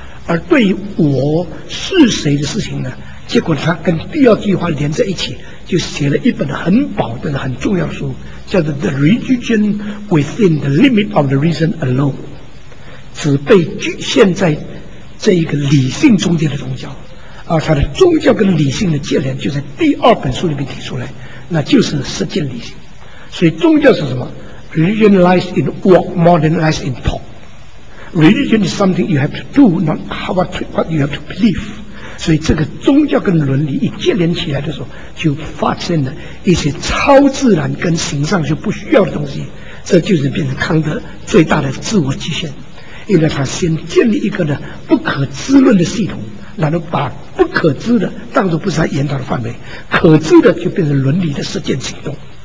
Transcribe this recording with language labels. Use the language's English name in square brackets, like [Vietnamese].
[Chinese] 而对于我是谁的事情呢，结果他跟第二句话连在一起，就写了一本很薄的很重要的书，叫做 The Religion Within the Limit of the Reason Alone， 只被局限在这一个理性中间的宗教。而他的宗教跟理性的界限就在第二本书里面提出来，那就是实践理性。所以宗教是什么？ [English] Religion lies in walk more than lies in talk。 Religion is something you have to do, not how to, what you have to believe。 [Chinese] 所以这个宗教跟伦理一接连起来的时候，就发现了一些超自然跟形上就不需要的东西。这就是变成康德最大的自我极限，因为他先建立一个呢不可知论的系统，然后把不可知的当作不是他研讨的范围，可知的就变成伦理的实践行动。